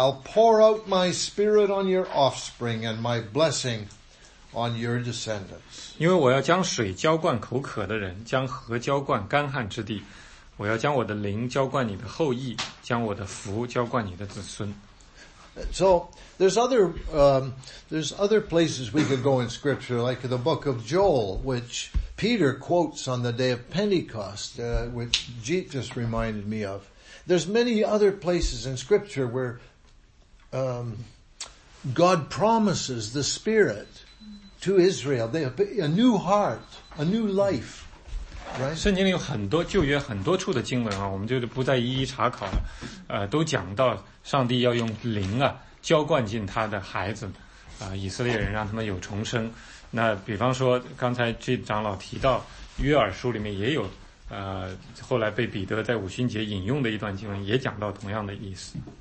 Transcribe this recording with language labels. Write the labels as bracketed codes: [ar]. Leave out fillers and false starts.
[en] I'll pour out my spirit on your offspring, and my blessing on your descendants. [zh] 因为我要将水浇灌口渴的人，将河浇灌干旱之地。我要将我的灵浇灌你的后裔，将我的福浇灌你的子孙。 [en] So there's other places we could go in Scripture, like the book of Joel, which Peter quotes on the day of Pentecost, which Jeet just reminded me of. There's many other places in Scripture where God promises the Spirit to Israel, they have a new heart, a new life. Right. [zh] 圣经里有很多旧约很多处的经文啊，我们就不再一一查考了，都讲到上帝要用灵啊浇灌进他的孩子，以色列人让他们有重生。那比方说刚才这长老提到约珥书里面也有，后来被彼得在五旬节引用的一段经文也讲到同样的意思。